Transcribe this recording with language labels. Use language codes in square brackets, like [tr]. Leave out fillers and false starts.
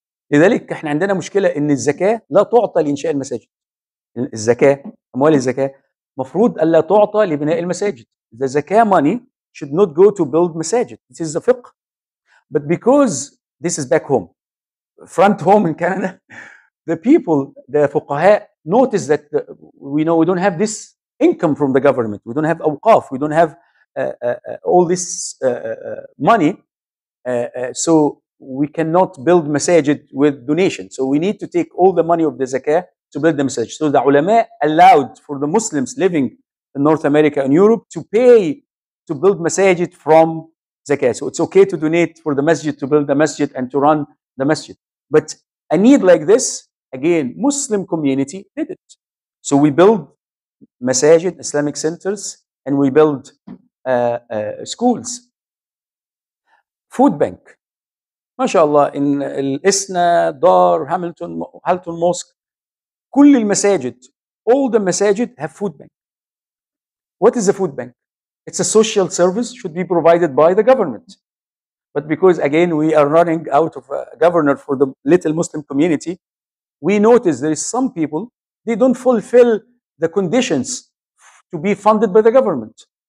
[ar] لذلك إحنا عندنا مشكلة إن الزكاة لا تعطى لإنشاء المساجد. الزكاة أموال الزكاة مفروض ألا تعطى لبناء المساجد. [en] The زكاة money should not go to build مساجد. This is the fiqh. But because this is back home, front home in Canada, the people, the فقهاء notice that we know we don't have this income from the government. We don't have أوقاف. We don't have all this money, so we cannot build masajid with donation. So we need to take all the money of the zakah to build the masajid. So the ulama allowed for the Muslims living in North America and Europe to pay to build masajid from zakah. So it's okay to donate for the masjid, to build the masjid and to run the masjid. But a need like this, again, Muslim community did it. So we build masajid, Islamic centers, and we build schools, food bank. [ar] ما شاء الله إن الإسنا دار هاملتون هالتون موسك كل المساجد [en] all the مساجد have food bank. What is a food bank? It's a social service should be provided by the government. But because again we are running out of a governor for the little Muslim community, we notice there is some people they don't fulfill the conditions to be funded by the government.